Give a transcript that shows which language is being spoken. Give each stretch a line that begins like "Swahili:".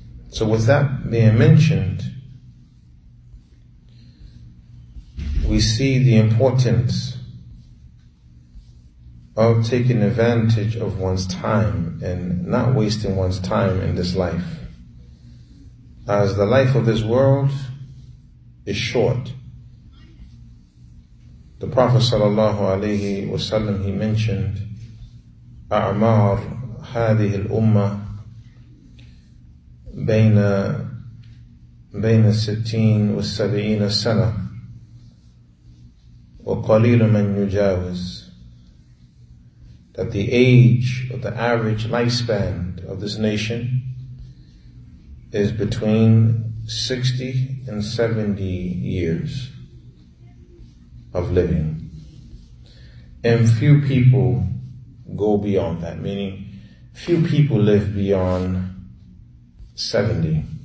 English: So with that being mentioned, we see the importance of taking advantage of one's time and not wasting one's time in this life. As the life of this world is short, The Prophet sallallahu alayhi wasallam, he mentioned
Arabic: أعمار هذه الأمة بين الستين والسبعين سنة وقليل من يجاوز.
English: That the age or the average lifespan of this nation is between 60 and 70 years of living. And few people go beyond that, meaning few people live beyond 70.